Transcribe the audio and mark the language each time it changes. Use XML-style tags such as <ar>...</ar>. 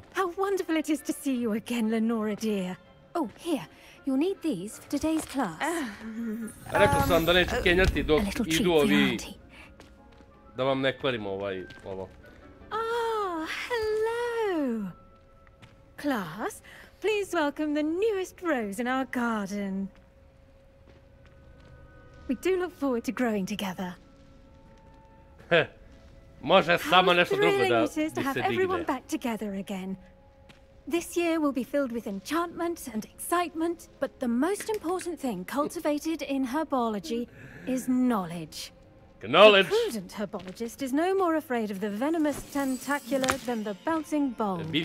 <en>How wonderful it is to see you again, Lenora dear. Oh, here. You'll need these for today's class.</en> <sr>Da neću kenjati dok idu ovi... da vam ne kvarim ovaj... ovo.</sr> <en>Oh, hello! Class, please welcome the newest rose in our garden. We do look forward to growing together.</en> <sr>Može samo nešto drugo da mi se digne.</sr> <en>Everyone back together again. This year will be filled with enchantment and excitement, but the most important thing cultivated in herbology is knowledge. Knowledge! The prudent herbologist is no more afraid of the venomous tentacular than the bouncing bomb.</en>